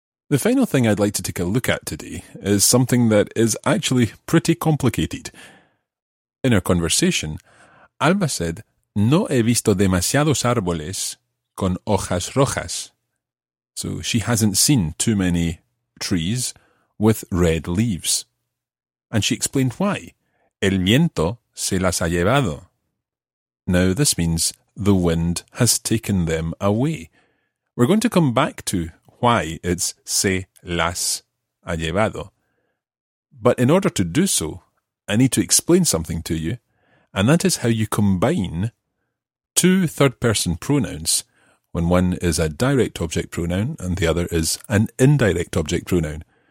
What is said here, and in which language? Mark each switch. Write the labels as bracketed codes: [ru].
[en] The final thing I'd like to take a look at today is something that is actually pretty complicated. In our conversation, Alba said, [es] no he visto demasiados árboles con hojas rojas. [en] So she hasn't seen too many trees with red leaves. And she explained why. [es] El viento se las ha llevado. [en] Now, this means the wind has taken them away. We're going to come back to why it's [es] se las ha llevado. [en] But in order to do so, I need to explain something to you, and that is how you combine two third-person pronouns when one is a direct object pronoun and the other is an indirect object pronoun.